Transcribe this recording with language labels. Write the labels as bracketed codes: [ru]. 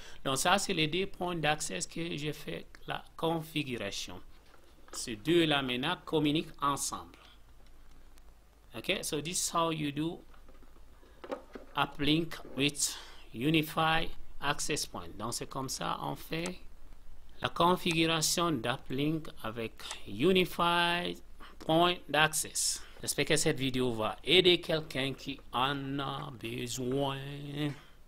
[fr] Donc ça, c'est les deux points d'accès que j'ai fait la configuration. Ces deux-là maintenant communiquent ensemble. [en] Ok, so this is how you do uplink with Unify Access Point. [fr] Donc c'est comme ça on fait la configuration d'uplink avec Unify Point d'accès. J'espère que cette vidéo va aider quelqu'un qui en a besoin.